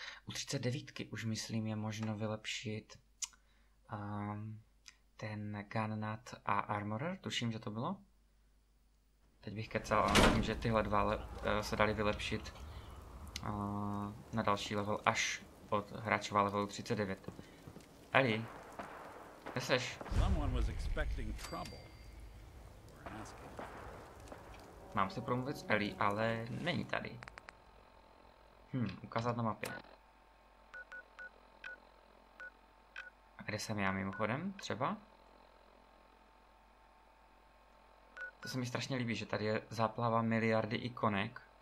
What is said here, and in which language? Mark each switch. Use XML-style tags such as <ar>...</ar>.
<cs>U 39 už myslím je možno vylepšit ten gun nut a armorer, tuším, že to bylo. Teď bych kecal, ale myslím, že tyhle dva se dali vylepšit na další level až od hráčova levelu 39. Ellie.</cs> <en>Someone was expecting trouble. We're asking.</en> <cs>Mám se promluvit s Ellie, ale není tady. Ukázat na mapě. A kde jsem já mimochodem, třeba? To se mi strašně líbí, že tady je záplava miliardy ikonek.</cs>